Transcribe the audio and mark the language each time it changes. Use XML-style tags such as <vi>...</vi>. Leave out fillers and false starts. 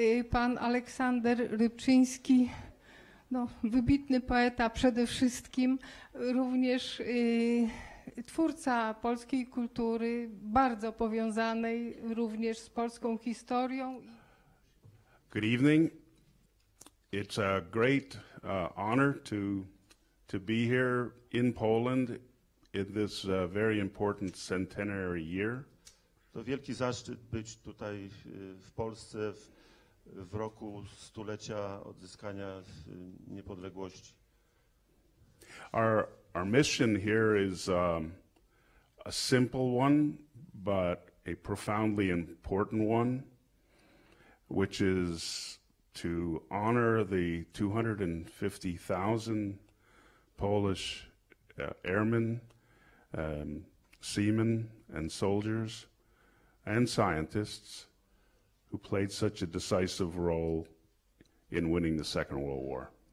<pl>Pan Aleksander Rybczyński, no, wybitny poeta przede wszystkim, również twórca polskiej kultury, bardzo powiązanej również z polską historią.</pl> <en>Good evening. It's a great honor to be here in Poland in this very important centenary year.</en> <pl>To wielki zaszczyt być tutaj w Polsce w roku stulecia odzyskania niepodległości.</pl> <en>Our mission here is a simple one, but a profoundly important one, which is to honor the 250,000 Polish airmen, seamen, and soldiers, and scientists who played such a decisive role in winning the Second World War.</en>